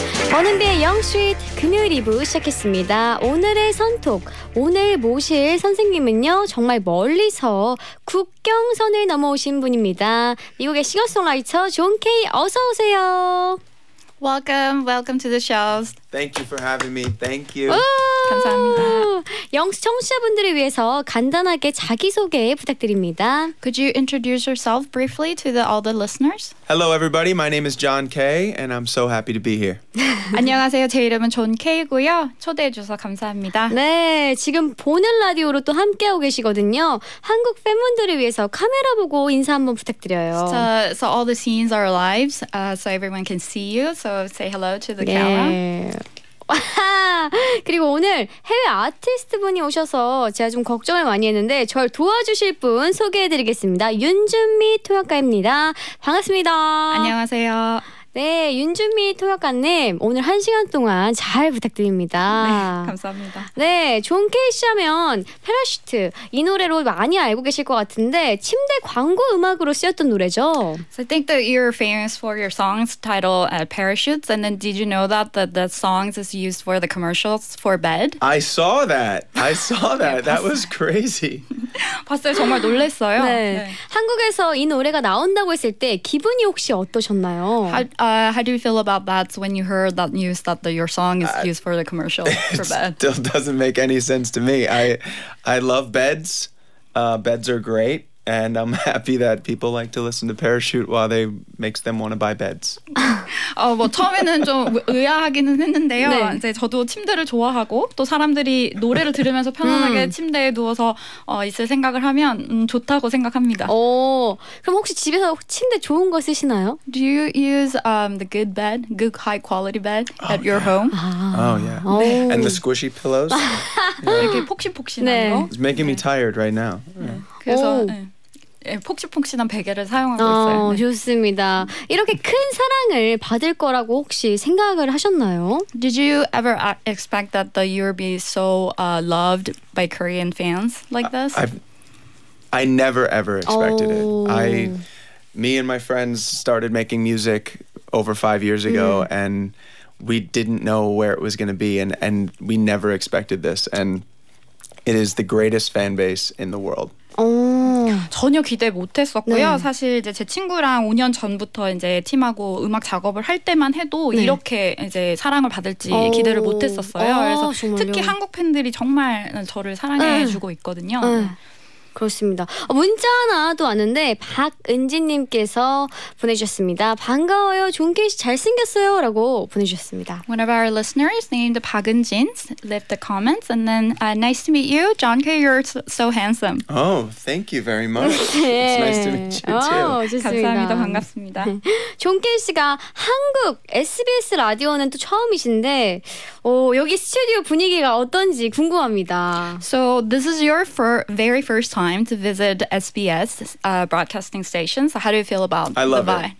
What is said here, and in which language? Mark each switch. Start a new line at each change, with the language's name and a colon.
Korean: 권은비의 영스트리트 금요일 2부 시작했습니다. 오늘의 선톡, 오늘 모실 선생님은요 정말 멀리서 국경선을 넘어오신 분입니다. 미국의 싱어송라이터 존 케이, 어서오세요.
English: Welcome to the show. Thank you for having me. Thank you.
Korean: 감사합니다. 영스 청취자분들을 위해서 간단하게 자기소개 부탁드립니다.
English: Could you introduce yourself briefly to all the listeners? Hello, everybody. My name is John Kay, and I'm so happy to be here.
Korean: 안녕하세요. 제 이름은 존 케이고요. 초대해 주셔서 감사합니다. 네, 지금 보는 라디오로 또 함께하고 계시거든요. 한국 팬분들을 위해서 카메라 보고 인사 한번 부탁드려요.
English: So all the scenes are live, so everyone can see you. So say hello to the
Korean: 네.
English: camera.
Korean: 와, 그리고 오늘 해외 아티스트 분이 오셔서 제가 좀 걱정을 많이 했는데 절 도와주실 분 소개해드리겠습니다. 윤준미 통역가입니다. 반갑습니다. 안녕하세요. 네, 윤준미 통역가님 오늘 한 시간 동안 잘 부탁드립니다. 네, 감사합니다. 네, 존 케이 씨 하면 패러슈트 이 노래로 많이 알고 계실 것 같은데 침대 광고 음악으로 쓰였던 노래죠?
English: So I think that you're famous for your songs titled Parachutes and then did you know that the songs is used for the commercials for bed? I saw that.
Korean: 네,
English: that was crazy.
Korean: 봤어요, 정말 놀랐어요. 네. 네. 한국에서 이 노래가 나온다고 했을 때 기분이 혹시 어떠셨나요?
English: How do you feel about that when you heard that news that your song is used for the commercial for bed? It still doesn't make any sense to me. I love beds. Beds are great. And I'm happy that people like to listen to Parachute while they makes them want to buy beds.
Korean: 뭐 처음에는 좀 의아하기는 했는데요. 네. 이제 저도 침대를 좋아하고 또 사람들이 노래를 들으면서 편안하게 침대에 누워서 있을 생각을 하면 좋다고 생각합니다. 오, 그럼 혹시 집에서 침대 좋은 거 쓰시나요?
English: Do you use the good bed, good high quality bed at your home? Oh yeah.
Korean: 네.
English: And the squishy pillows. Yeah.
Korean: 이렇게 폭신폭신한 네. 거.
English: It's making me tired right now. Yeah.
Korean: 그래서 네, 폭신폭신한 베개를 사용하고 있어요. 네. 좋습니다. 이렇게 큰 사랑을 받을 거라고 혹시 생각을 하셨나요?
English: Did you ever expect that you would be so loved by Korean fans like this? I never ever expected it. Me and my friends started making music over 5 years ago and we didn't know where it was going to be and we never expected this and it is the greatest fan base in the world.
Korean: 전혀 기대 못했었고요. 네. 사실 이제 제 친구랑 5년 전부터 이제 팀하고 음악 작업을 할 때만 해도 네. 이렇게 이제 사랑을 받을지 기대를 못했었어요. 그래서 정말요? 특히 한국 팬들이 정말 저를 사랑해주고 있거든요. 그렇습니다. 문자 하나도 왔는데 박은지님께서 보내주셨습니다. 반가워요. 존케이 씨 잘생겼어요. 라고 보내주셨습니다.
English: One of our listeners named 박은진 left the comments and then nice to meet you. John K, you're so handsome. Oh, thank you very much.
Korean: 네.
English: It's nice to meet you too.
Korean: 좋습니다. 감사합니다. 반갑습니다. 존케이 씨가 한국 SBS 라디오는 또 처음이신데 여기 스튜디오 분위기가 어떤지 궁금합니다.
English: So this is your very first time to visit SBS broadcasting station. So how do you feel about the vibe?